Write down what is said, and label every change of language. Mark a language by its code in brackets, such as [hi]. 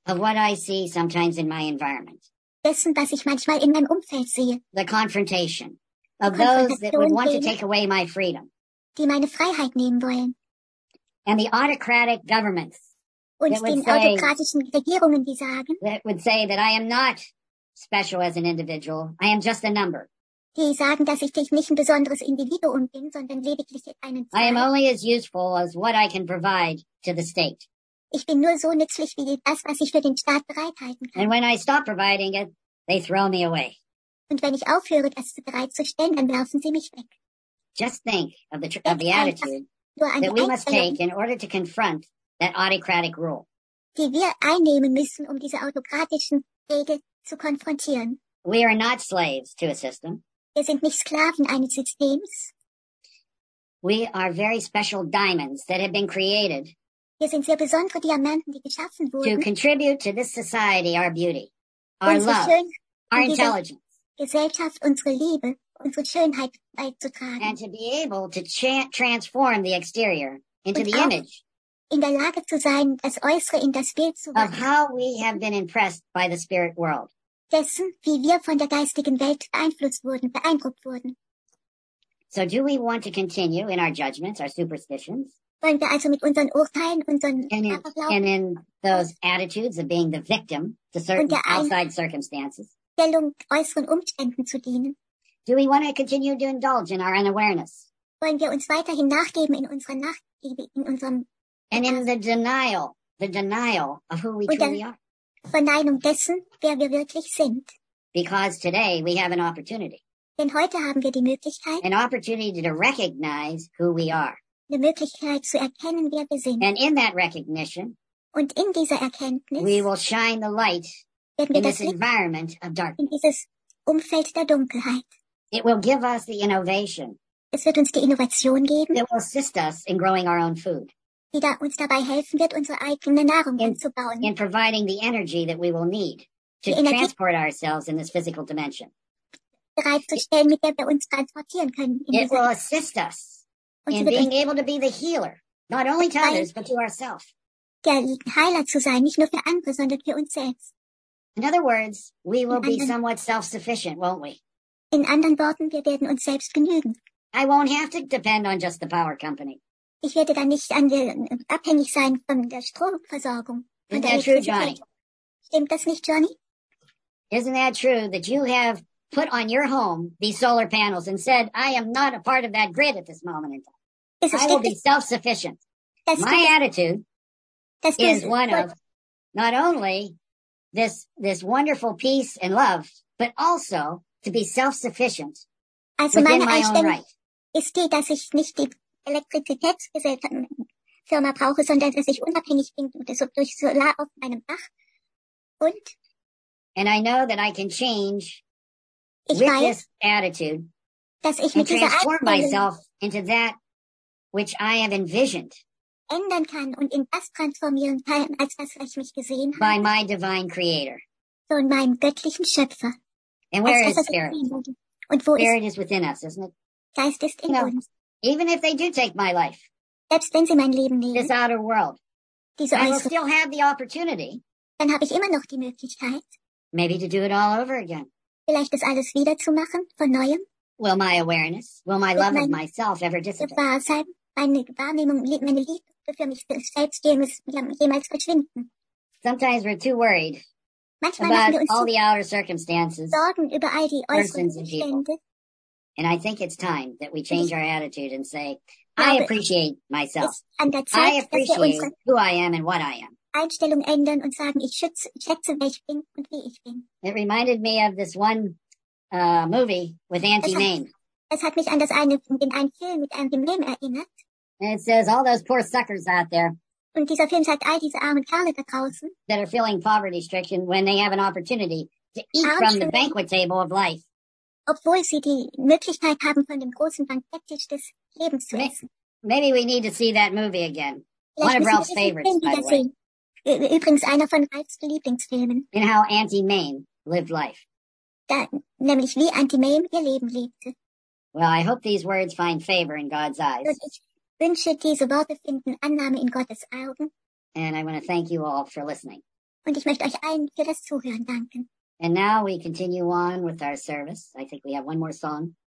[en] Of what I see sometimes in my environment. [de] Dessen, was ich manchmal in meinem Umfeld sehe. [en] The confrontation. Of those that would want to take away my freedom. [de] Die meine Freiheit nehmen wollen. [en] And the autocratic governments. [de] Und den autokratischen Regierungen, die sagen. [en] That would say that I am not special as an individual. I am just a number. [de] Die sagen, dass ich nicht ein besonderes Individuum bin, sondern lediglich einen Zahl. [en] I am only as useful as what I can provide to the state. [de] Ich bin nur so nützlich wie das, was ich für den Staat bereithalten kann. [en] And when I stop providing it, they throw me away. [de] Und wenn ich aufhöre, das bereitzustellen, dann werfen sie mich weg. [en] Just think of the attitude that we must take in order to confront that autocratic rule. [de] die wir einnehmen müssen, um diese autokratischen Wege zu konfrontieren. [en] We are not slaves to a system. [de] Wir sind nicht Sklaven eines Systems. [en] We are very special diamonds that have been created. [de] Wir sind sehr besondere Diamanten, die geschaffen wurden. [en] To contribute to this society our beauty, our love, our intelligence. [de] Gesellschaft, unsere Liebe, unsere Schönheit beizutragen. [en] And to be able to transform the exterior into [de] Und [en] the image. [de] In der Lage zu sein, das Äußere in das Bild zu wandeln. [en] Of how we have been impressed by the spirit world. [de] Dessen, wie wir von der geistigen Welt beeinflusst wurden, beeindruckt wurden. [en] So do we want to continue in our judgments, our superstitions? [de] Wollen wir also mit unseren Urteilen, unseren Aberglauben? [en] And in those attitudes of being the victim to certain outside circumstances. [de] Äußeren Umständen zu dienen. [en] Do we want to continue to indulge in our unawareness? [de] Wollen wir uns weiterhin nachgeben in unserer Nachgiebe, in unserem [en] And in the denial of who we [de] Und [en] truly are. [de] Verneinung dessen, wer wir wirklich sind. [en] Because today we have an opportunity. [de] Denn heute haben wir die Möglichkeit, [en] an opportunity to recognize who we are. [de] Die Möglichkeit zu erkennen, wer wir sind. [en] And in that recognition, [de] Und in dieser Erkenntnis, [en] we will shine the light in this environment of darkness. [de] In dieses Umfeld der Dunkelheit. [en] It will give us the innovation. [de] Es wird uns die Innovation geben. [en] It will assist us in growing our own food. [de] Die da uns dabei helfen wird, unsere eigene Nahrung anzubauen. [en] In providing the energy that we will need to transport ourselves in this physical dimension. [de] Bereitzustellen, mit der wir uns transportieren können. [en] It will assist us in being able to be the healer, not only to others, but to ourselves. [de] Der Heiler zu sein, nicht nur für andere, sondern für uns selbst. [en] In other words, we will be somewhat self-sufficient, won't we? [de] In anderen Worten, wir werden uns selbst genügen. [en] I won't have to depend on just the power company. [de] Ich werde dann nicht abhängig sein von der Stromversorgung. [en] Isn't that true, Johnny? [de] Stimmt das nicht, Johnny? [en] Isn't that true that you have put on your home these solar panels and said, I am not a part of that grid at this moment in time. I will be self-sufficient. My attitude is one of not only this wonderful peace and love, but also to be self-sufficient also within [de] meine [en] my own right. [de] Ist die, dass ich nicht die Elektrizitätsfirma brauche, sondern dass ich unabhängig bin durch Solar auf meinem Dach. Und? [en] And I know that I can change [de] ich [en] with [de] weiß, [en] this attitude [de] dass ich [en] and [de] mit dieser [en] transform Art myself into that which I have envisioned. [de] Ändern kann und in das transformieren kann, als was ich mich gesehen habe. [en] By my divine creator. [de] So in meinem göttlichen Schöpfer. [en] And where is spirit? [de] Und wo [en] spirit [de] ist [en] is within us, isn't it? [de] Geist ist in uns. [en] Even if they do take my life. [de] Selbst wenn sie mein Leben nehmen. [en] This outer world. [de] Diese [en] I will still have the opportunity. [de] Dann habe ich immer noch die Möglichkeit. [en] Maybe to do it all over again. [de] Vielleicht das alles wieder zu machen, von neuem. [en] Will my awareness, will my love of myself ever dissipate? [de] Meine Wahrnehmung, meine Liebe für mich selbst jemals verschwinden. [en] Sometimes we're too worried [de] Manchmal [en] about [de] wir uns [en] all the outer circumstances, [de] Sorgen über all die äußeren Umstände. [en] And I think it's time that we change our attitude and say, I appreciate myself. [de] Zeit, [en] I appreciate who I am and what I am. [de] Einstellung ändern und sagen, ich schätze, wer ich bin und wie ich bin. [en] It reminded me of this one movie with Auntie Mame. [de] Es hat mich an das eine, den einen Film mit einem Mem erinnert. [en] And it says, all those poor suckers out there. [de] Und dieser Film sagt, all diese armen Kerle da draußen. [en] That are feeling poverty stricken when they have an opportunity to eat from the banquet table of life. [de] Obwohl sie die Möglichkeit haben, von dem großen Banketttisch des Lebens zu essen. [en] Maybe we need to see that movie again. [de] Vielleicht [en] One of Ralph's favorites, by the way. [de] Sehen. Übrigens einer von Ralphs Lieblingsfilmen. [en] And how Auntie Mame lived life. [de] Nämlich wie Auntie Mame ihr Leben lebte. [en] Well, I hope these words find favor in God's eyes. [de] Ich wünsche, diese Worte finden Annahme in Gottes Augen. [en] And I want to thank you all for listening. [de] Und ich möchte euch allen für das Zuhören danken. [en] And now we continue on with our service. I think we have one more song.